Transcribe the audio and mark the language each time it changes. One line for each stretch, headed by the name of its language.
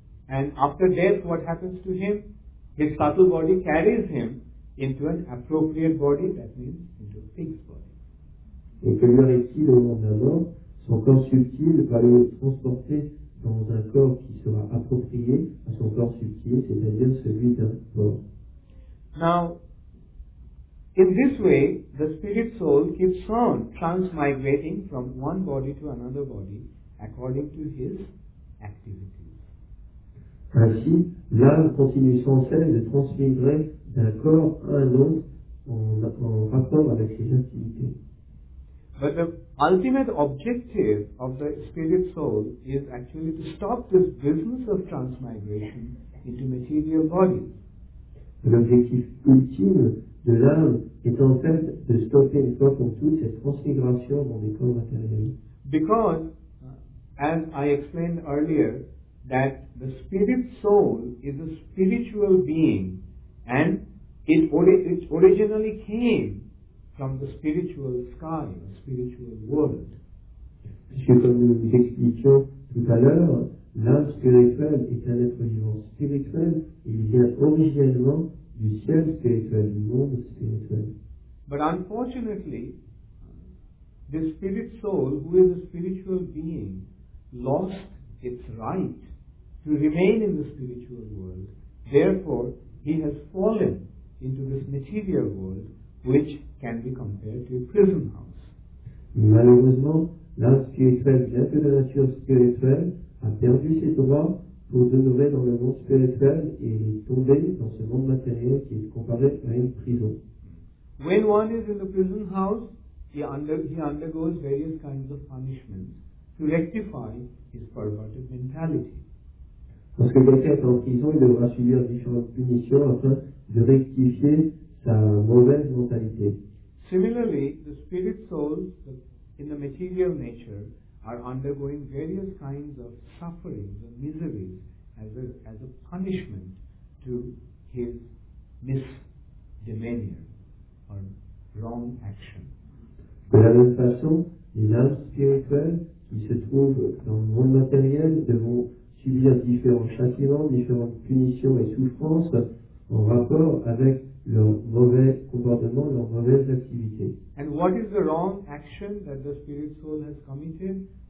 English: And after death, what happens to him? His subtle body carries him into an appropriate body, that means into a pig's body.
French: Et que lui arrive-t-il au moment de la mort? Son corps subtil va le transporter dans un corps qui sera approprié à son corps subtil, c'est-à-dire celui d'un porc.
English: Now, in this way, the spirit soul keeps on transmigrating from one body to another body according to his activities.
French: Ainsi, l'âme continue sans cesse de transmigrer d'un corps à un autre en rapport avec ses activités.
English: But the ultimate objective of the spirit soul is actually to stop this business of transmigration into material bodies.
French: L'objectif ultime de l'âme est en fait de stopper une fois pour toutes cette transmigration dans des corps matériels.
English: Because, as I explained earlier, that the spirit soul is a spiritual being and it originally came from the spiritual sky, the spiritual world.
French: Puisque comme nous vous expliquions tout à l'heure, l'âme spirituelle est un être vivant spirituel, il vient originellement du ciel spirituel, du monde spirituel.
English: But unfortunately, the spirit soul, who is a spiritual being, lost its right to remain in the spiritual world. Therefore, he has fallen into this material world, which can be compared to a prison house.
French: Malheureusement, l'âme spirituelle, bien que de nature spirituelle, a perdu ses droits pour demeurer dans le monde spirituel et tomber dans ce monde matériel qui est comparé à une prison.
English: When one is in the prison house, he undergoes various kinds of punishments to rectify his perverted mentality.
French: Parce que quelqu'un est en prison, il devra subir différentes punitions afin de rectifier sa mauvaise mentalité.
English: Similarly, the spirit souls in the material nature are undergoing various kinds of sufferings and miseries as a punishment to his misdemeanor or wrong action.
French: De la même façon, les âmes spirituelles qui se trouvent dans le monde matériel devront subir différents châtiments, différentes punitions et souffrances en rapport avec leur mauvais comportement, leur mauvaise activité.
English: And what is the wrong action that the spirit soul has committed?